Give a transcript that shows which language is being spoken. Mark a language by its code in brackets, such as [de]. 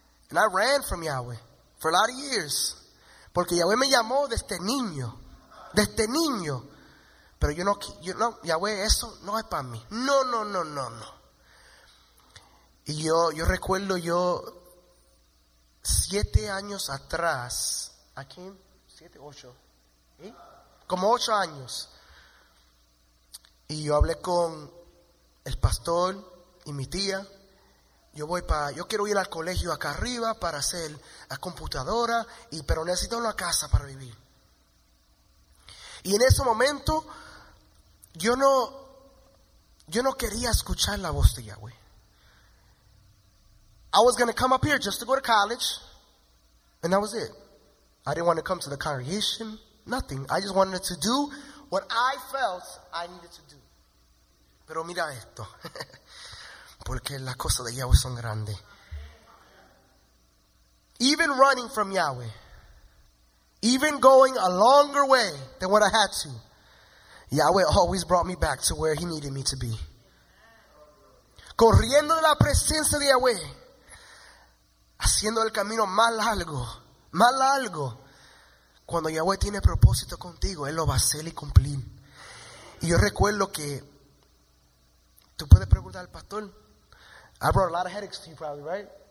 [en] And I ran from Yahweh for a lot of years. [es] Porque Yahweh me llamó desde niño. Desde niño. Pero yo no, Yahweh, eso no es para mí. No. Y yo recuerdo yo 7 años atrás. Aquí, 7, 8. ¿Sí? Como 8 años. Y yo hablé con el pastor y mi tía. Yo quiero ir al colegio acá arriba para hacer la computadora, pero necesito una casa para vivir. Y en ese momento, yo no quería escuchar la voz de Yahweh. [en] I was going to come up here just to go to college, and that was it. I didn't want to come to the congregation, nothing. I just wanted to do what I felt I needed to do. [es] Pero mira esto. Porque las cosas de Yahweh son grandes. [en] Even running from Yahweh, even going a longer way than what I had to, Yahweh always brought me back to where he needed me to be. [es] Corriendo de la presencia de Yahweh, haciendo el camino más largo. Cuando Yahweh tiene propósito contigo, él lo va a hacer y cumplir. Y yo recuerdo que, tú puedes preguntar al pastor, [en] I brought a lot of headaches to you probably, right?